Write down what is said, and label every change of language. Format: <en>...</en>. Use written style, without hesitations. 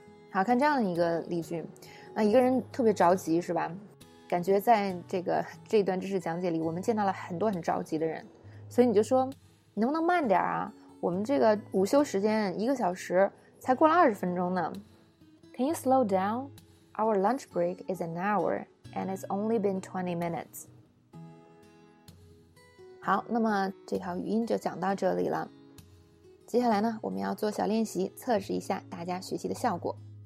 <zh>好，看这样的一个例句，那一个人特别着急是吧，感觉在这段知识讲解里我们见到了很多很着急的人，所以你就说你能不能慢点啊，我们这个午休时间一个小时才过了20分钟呢。</zh> <en>Can you slow down? Our lunch break is an hour and it's only been 20 minutes.</en> <zh>好，那么这条语音就讲到这里了。接下来呢，我们要做小练习，测试一下大家学习的效果。</zh>